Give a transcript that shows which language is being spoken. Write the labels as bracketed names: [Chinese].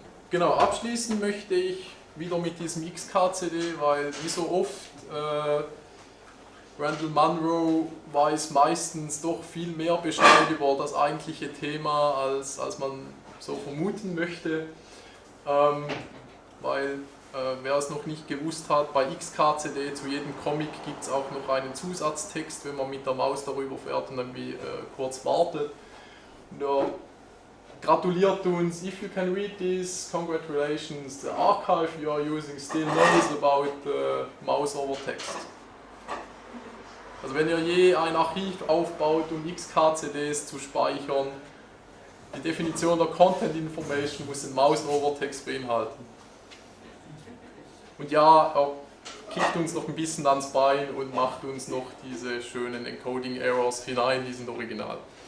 [German] Genau, abschließen möchte ich wieder mit diesem XKCD, weil wie so oft Randall Munro weiß meistens doch viel mehr Bescheid über das eigentliche Thema, als man so vermuten möchte. Wer es noch nicht gewusst hat, bei XKCD zu jedem Comic gibt es auch noch einen Zusatztext, wenn man mit der Maus darüber fährt und dann wie kurz wartet. Gratuliert uns, [English] if you can read this, congratulations, the archive you are using still knows about the mouse over text. [German] Also wenn ihr je ein Archiv aufbaut, um XKCDs zu speichern, die Definition der Content Information muss den Mouse-Over-Text beinhalten. Und ja, er kickt uns noch ein bisschen ans Bein und macht uns noch diese schönen Encoding-Errors hinein, die sind original.